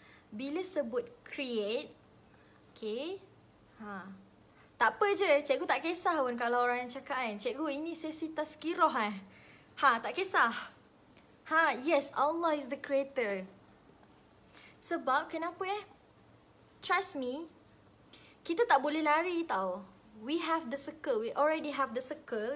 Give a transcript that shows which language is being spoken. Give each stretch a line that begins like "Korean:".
Malay: Bila sebut create, okey. Ha. Tak apa je, cikgu tak kisah pun kalau orang yang cakap kan. Cikgu ini sesi tazkirah eh. Ha, tak kisah.
English: Ha, yes, Allah is the creator.
Malay: Sebab kenapa eh? Trust me, kita tak boleh lari tau.
English: We have the circle, we already have the circle.